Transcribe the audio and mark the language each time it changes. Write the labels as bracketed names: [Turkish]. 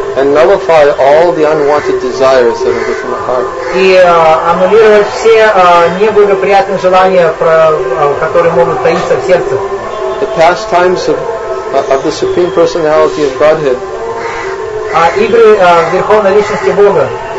[English] And nullify all the unwanted desires that are within the heart. [Russian] И аннулировать все неблагоприятные желания, которые могут таиться в сердце. [English] The pastimes of the Supreme Personality of Godhead [Russian] игры Верховной Личности Бога